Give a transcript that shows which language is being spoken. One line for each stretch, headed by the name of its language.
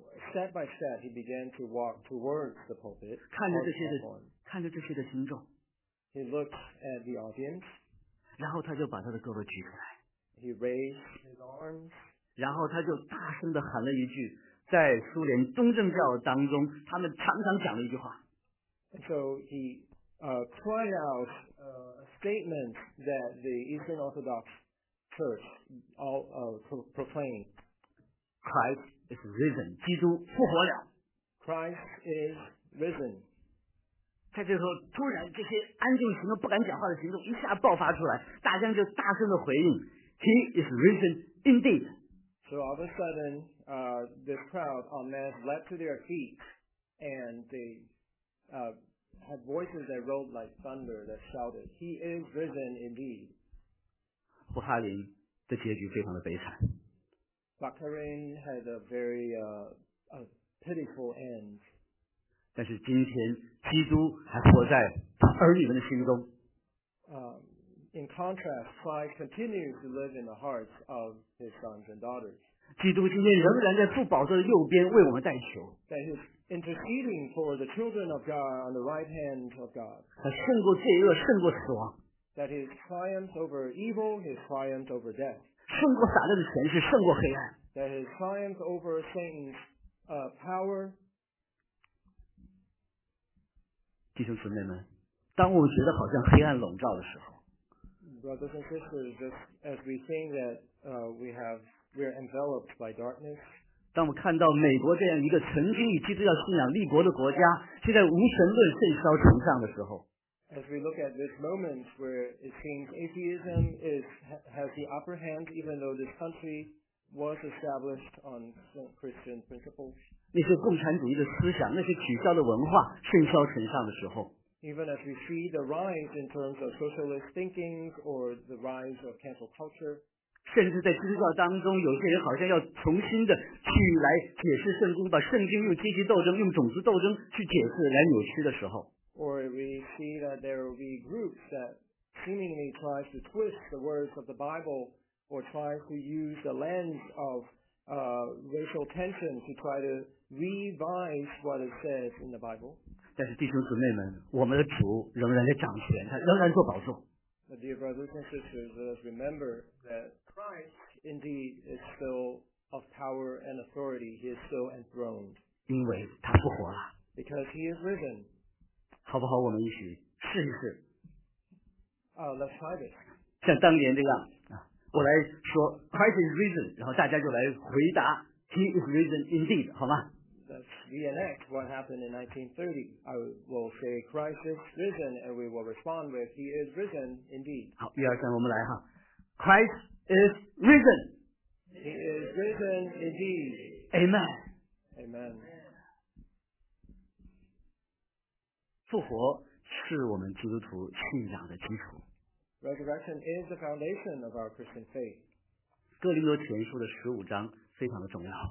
English: Step by step, he began to walk towards the pulpit.
Chinese: 看着这些的听众。
English: He looked at the audience.
Chinese: 然后他就把他的胳膊举起来。
English: He raised his arms.
Chinese: 然后他就大声地喊了一句，在苏联东正教当中，他们常常讲的一句话。
English: So he cried out a statement that the Eastern Orthodox Church all proclaimed. Christ is risen.
Chinese: 基督复活了。
English: Christ is risen.
Chinese: 在这时候，突然这些安静行动、不敢讲话的行动一下爆发出来，大家就大声地回应。
English: He is risen indeed. So all of a sudden, this crowd en masse leapt to their feet, and they had voices that rolled like thunder that shouted, "He is risen indeed."
Chinese: 布哈林的结局非常的悲惨。
English: Bakhrain had a very pitiful end.
Chinese: 但是今天基督还活在他儿女们的心中。
English: In contrast, Christ continues to live in the hearts of his sons and daughters.
Chinese: 基督今天仍然在父宝座的右边为我们代求。
English: That he is interceding for the children of God on the right hand of God.
Chinese: 他胜过罪恶，胜过死亡。
English: That his triumph over evil, his triumph over death.
Chinese: 胜过撒旦的权势，胜过黑暗。
English: That his triumph over Satan's power.
Chinese: 弟兄姊妹们，当我们觉得好像黑暗笼罩的时候。
English: Brothers and sisters, just as we think that we're enveloped by darkness.
Chinese: 当我们看到美国这样一个曾经以基督教信仰立国的国家，现在无神论甚嚣尘上的时候。
English: As we look at this moment where it seems atheism has the upper hand, even though this country was established on Christian principles.
Chinese: 那些共产主义的思想，那些取消的文化甚嚣尘上的时候。
English: Even as we see the rise in terms of socialist thinking or the rise of cancel culture,
Chinese: 甚至在基督教当中，有些人好像要重新的去来解释圣经，把圣经用阶级斗争、用种族斗争去解释来扭曲的时候。
English: Or we see that there will be groups that seemingly try to twist the words of the Bible or try to use the lens of racial tension to try to revise what it says in the Bible.
Chinese: 但是弟兄姊妹们，我们的主仍然在掌权，他仍然做宝座。
English: But dear brothers and sisters, let us remember that Christ indeed is still of power and authority. He is still enthroned.
Chinese: 因为他复活了。
English: Because he is risen.
Chinese: 好不好？我们一起试一试。
English: Let's try this.
Chinese: 像当年这样啊，我来说
English: Christ is risen，
Chinese: 然后大家就来回答
English: He is risen indeed，
Chinese: 好吗？
English: Reenact what happened in 1930. I will say Christ is risen, and we will respond with He is risen indeed.
Chinese: 好，一二三，我们来哈。
English: Christ is risen. He is risen indeed. Amen. Amen.
Chinese: 复活是我们基督徒信仰的基础。
English: Resurrection is the foundation of our Christian faith.
Chinese: 哥林多前书的十五章非常的重要。